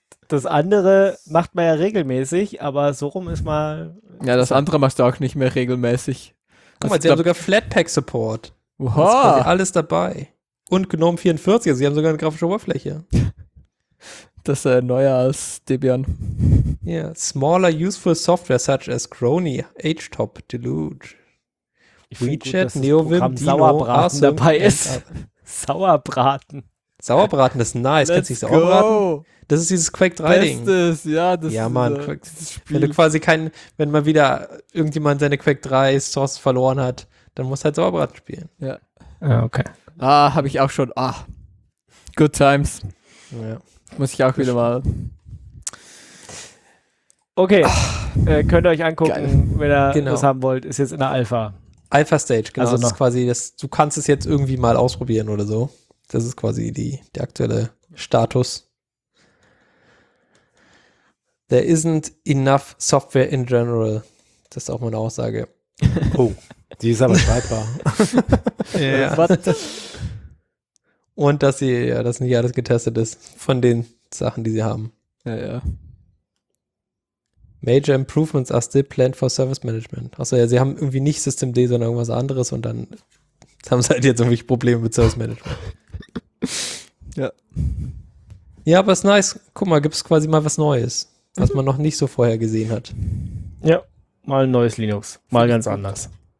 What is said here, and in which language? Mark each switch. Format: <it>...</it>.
<de>Das andere macht man ja regelmäßig, aber so rum ist mal. Ja, das andere machst du auch nicht mehr regelmäßig. Guck mal, sie haben sogar Flatpak-Support. Wow. Das ist quasi alles dabei. Und GNOME 44, sie haben sogar eine grafische Oberfläche. Das ist neuer als Debian. Ja, yeah.</de> <en>Smaller useful software such as Crony, HTOP, Deluge,</en> <de>WeChat, NeoVim, Dino, Sauerbraten dabei ist. Sauerbraten. Sauerbraten ist nice.</de> <en>Let's</en> <de>Kennst du dieses Sauerbraten? Das ist dieses Quake 3 Ding. Ja, das ist Quake, dieses Spiel. Wenn du quasi wenn mal wieder irgendjemand seine Quake 3 Source verloren hat, dann musst du halt Sauerbraten spielen. Ja. Okay. Ah, habe ich auch schon. Ah,</de> <en>good times.</en> <de>Ja. Muss ich auch wieder mal. Okay. Könnt ihr euch angucken, wenn ihr das haben wollt. Ist jetzt in der Alpha. Alpha Stage, genau. Also das ist quasi, du kannst es jetzt irgendwie mal ausprobieren oder so. Das ist quasi der aktuelle Status.</de> <en>There isn't enough software in general.</en> <de>Das ist auch meine Aussage. Oh. Die ist aber schreibbar. Ja. Und dass sie, ja, dass nicht alles getestet ist von den Sachen, die sie haben. Ja, ja.</de> <en>Major improvements are still planned for service management.</en> <de>Achso, ja, sie haben irgendwie nicht Systemd, sondern irgendwas anderes und dann haben sie halt jetzt irgendwie Probleme mit Service Management. Ja. Ja, aber ist nice. Guck mal, gibt es quasi mal was Neues, was man noch nicht so vorher gesehen hat. Ja, mal ein neues Linux. Mal ganz anders.</de>